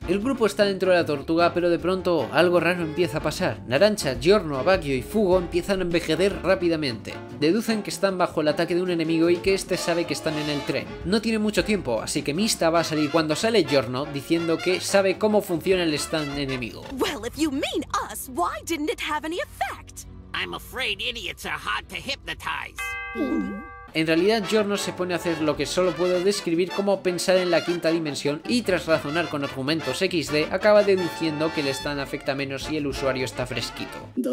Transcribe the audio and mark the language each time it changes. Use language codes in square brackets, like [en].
[es] El grupo está dentro de la tortuga, pero de pronto algo raro empieza a pasar. Naranja, Giorno, Evacchio y Fugo empiezan a envejecer rápidamente. Deducen que están bajo el ataque de un enemigo y que este sabe que están en el tren. No tiene mucho tiempo, así que Mista va a salir cuando sale Giorno diciendo que sabe cómo funciona el stand enemigo. [en] Well, if you mean us, why didn't it have any effect? I'm afraid idiots are hard to hypnotize. [es] En realidad, Giorno se pone a hacer lo que solo puedo describir como pensar en la quinta dimensión y tras razonar con argumentos XD, acaba deduciendo que el stand afecta menos y el usuario está fresquito.